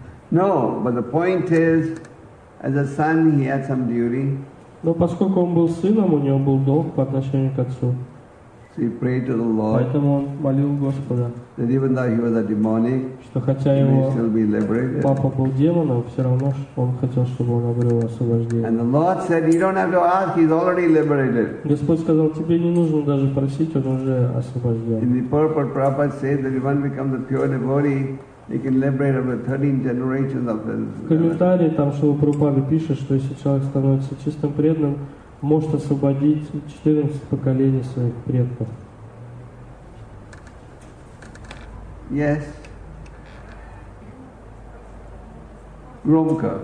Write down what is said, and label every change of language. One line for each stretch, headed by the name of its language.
English: No, but the point is, as a son, he had some duty.
Russian: Но поскольку он был сыном, у него был долг по отношению к отцу.
English: So he prayed to the Lord.
Russian: Поэтому он молил Господа.
English: That even though he was a demonic,
Russian: что хотя его
English: still be liberated.
Russian: Папа был демоном, все равно он хотел, чтобы он обрел освобождение.
English: And the Lord said, "You don't have to ask; he's already liberated."
Russian: Господь сказал, тебе не нужно даже просить, он уже освобожден.
English: In the purport, Prabhupada says that if one becomes a pure devotee, he can liberate up to 13 generations of his.
Russian: В комментарии там Шрила Прабхупада пишет, что если человек становится чистым преданным, может освободить 14 поколений своих предков.
English: Yes.
Russian: Громко.